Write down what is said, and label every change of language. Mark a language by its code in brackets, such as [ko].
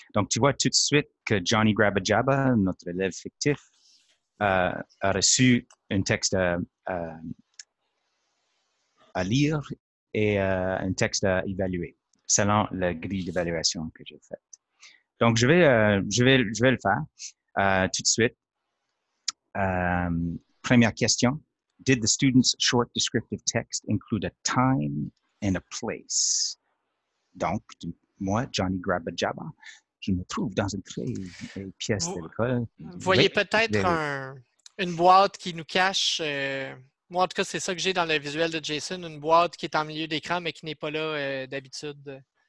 [fr] Donc, tu vois tout de suite que Johnny Grabajaba, notre élève fictif, a reçu un texte à lire et un texte à évaluer, selon la grille d'évaluation que j'ai faite. Donc, je vais le faire tout de suite. Première question. [en] Did the student's short descriptive text include a time and a place? [fr] Donc, moi, Johnny Grabajaba, je me trouve dans une très belle pièce de l'école. Voyez peut-être une boîte qui nous cache. Moi, en tout cas, c'est ça que j'ai dans le visuel de Jason, une boîte qui est en milieu d'écran, mais qui n'est pas là d'habitude.